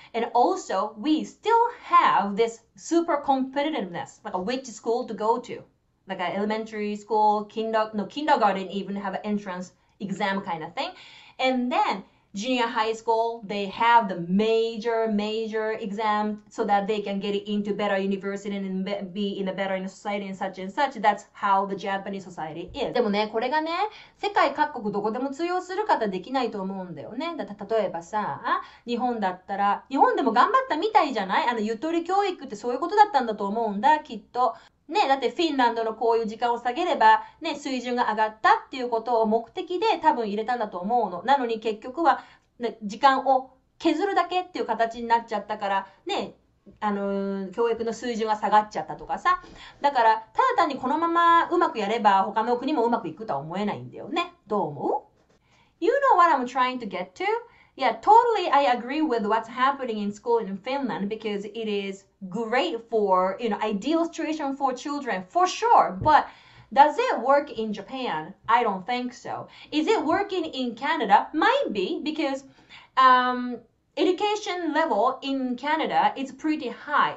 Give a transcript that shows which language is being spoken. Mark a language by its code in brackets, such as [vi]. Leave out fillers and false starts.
[en] And also, we still have this super competitiveness, like which school to go to, like an elementary school, kindergarten even have an entrance exam kind of thing. And then,Junior high school, they have the major exam so that they can get into better university and be in a better society and such and such. That's how the Japanese society is. [ja] でもね、これがね、世界各国どこでも通用するかとできないと思うんだよね。だって例えばさ、日本だったら、日本でも頑張ったみたいじゃない？あの、ゆとり教育ってそういうことだったんだと思うんだ、きっと。ね、だってフィンランドのこういう時間を下げれば、ね、水準が上がったっていうことを目的で多分入れたんだと思うの。なのに結局は、ね、時間を削るだけっていう形になっちゃったから、ね、教育の水準が下がっちゃったとかさ。だから、ただ単にこのままうまくやれば他の国もうまくいくとは思えないんだよね。どう思う？ [en] You know what I'm trying to get to? Yeah, totally I agree with what's happening in school in Finland because it is great for, you know, ideal situation for children, for sure. But does it work in Japan? I don't think so. Is it working in Canada? Might be because education level in Canada is pretty high.